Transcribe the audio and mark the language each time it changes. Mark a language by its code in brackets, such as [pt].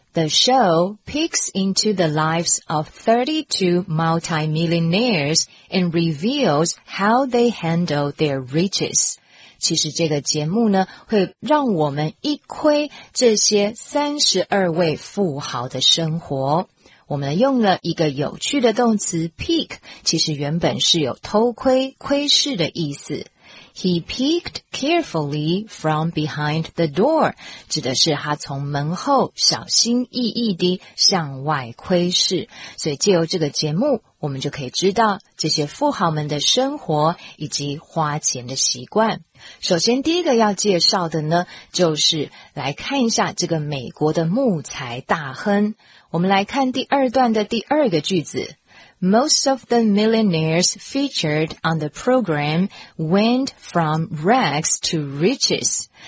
[en] The show peeks into the lives of 32 multimillionaires and reveals how they handle their riches. [zh] 其实这个节目呢，会让我们一窥这些32位富豪的生活。我们用了一个有趣的动词 peek， 其实原本是有偷窥、窥视的意思。 [en] He peeked carefully from behind the door， [zh] 指的是他从门后小心翼翼地向外窥视。所以借由这个节目，我们就可以知道这些富豪们的生活以及花钱的习惯。首先第一个要介绍的呢，就是来看一下这个美国的木材大亨。我们来看第二段的第二个句子。 [en] Most of the millionaires featured on the program went from rags to riches.